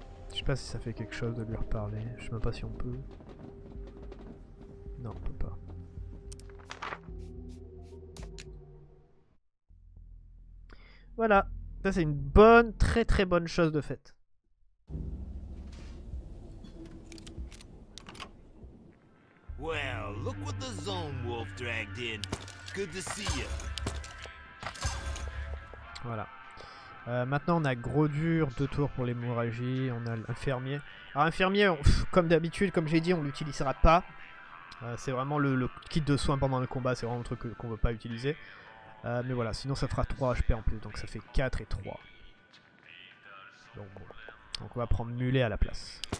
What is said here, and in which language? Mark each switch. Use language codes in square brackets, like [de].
[fr] Je sais pas si ça fait quelque chose de lui reparler. Je sais même pas si on peut. Non, on peut pas. Voilà. Ça, c'est une bonne, très très bonne chose de fait. [en] Well, look what the Zone Wolf dragged in. Good to see you. [fr] Voilà. Maintenant, on a gros dur, 2 tours pour l'hémorragie, on a l'infirmier. Alors, infirmier, comme d'habitude, comme j'ai dit, on l'utilisera pas. C'est vraiment le kit de soins pendant le combat, c'est vraiment le truc qu'on veut pas utiliser. Mais voilà, sinon ça fera 3 HP en plus, donc ça fait 4 et 3. Donc, voilà. Donc on va prendre mulet à la place.